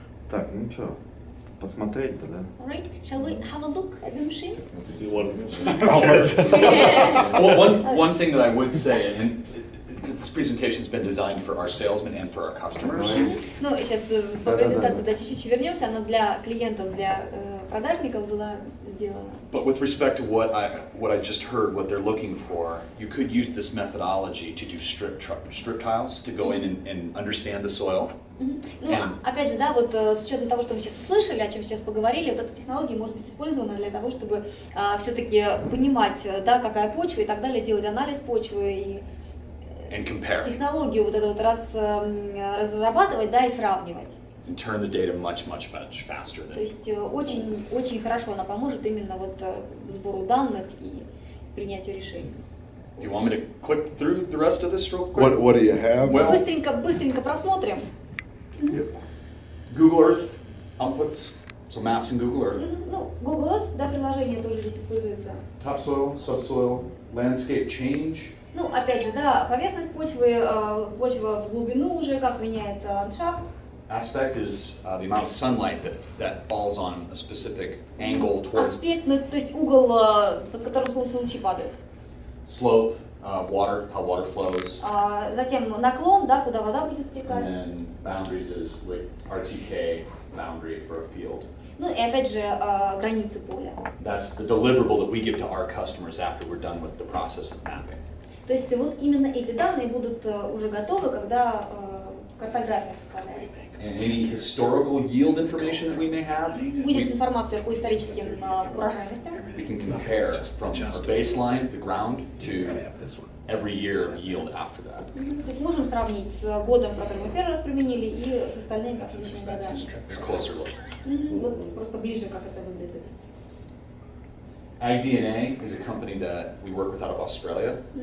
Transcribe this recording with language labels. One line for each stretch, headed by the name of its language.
Russian: Так, ну что, посмотреть-то, да?
English: Alright, shall we have a look at the machines? One thing that I would say, and this presentation's been designed for our salesmen and for our customers.
Russian: Ну, сейчас по презентации чуть-чуть вернемся, но для клиентов, для продажников была сделана.
English: But with respect to what I just heard, what they're looking for, you could use this methodology to do strip tiles, to go in and understand the soil.
Russian: Ну, опять же, да, вот с учетом того, что мы сейчас услышали, о чем сейчас поговорили, вот эта технология может быть использована для того, чтобы все-таки понимать, да, какая почва и так далее, делать анализ почвы и технологию вот эту вот разрабатывать, да, и сравнивать.
English: And turn the data much faster than...
Russian: То есть очень-очень хорошо она поможет именно вот сбору данных и принятию решений.
English: Do you want me to click through the rest of this real quick? What do you have?
Russian: Быстренько-быстренько просмотрим.
English: Yep. Google Earth, outputs? So maps in Google or?
Russian: Ну, Google Earth, да, приложение тоже здесь используется.
English: Topsoil, subsoil, landscape change.
Russian: Ну, опять же, да, поверхность почвы, почва в глубину уже как меняется, ландшафт.
English: Aspect is the amount of sunlight that falls on a specific angle towards.
Russian: Аспект, ну, то есть угол, под которым солнце лучи падает.
English: Slope, water, how water flows.
Russian: Затем наклон, да, куда вода будет стекать.
English: And then boundaries is like RTK boundary for a field.
Russian: Ну и опять же границы поля.
English: That's the deliverable that we give to our customers after we're done with the process of mapping.
Russian: То есть вот именно эти данные будут уже готовы, когда картография составляется.
English: And any historical yield information that we may have,
Russian: будет информация по историческим урожайностям.
English: We can compare from our baseline, the ground, to every year yield after that.
Russian: Можем сравнить с годом, в котором мы первый раз применили, и с остальными последующими годами.
English: A closer look.
Russian: Вот просто ближе, как это выглядит.
English: AgDNA is a company that we work with out of Australia.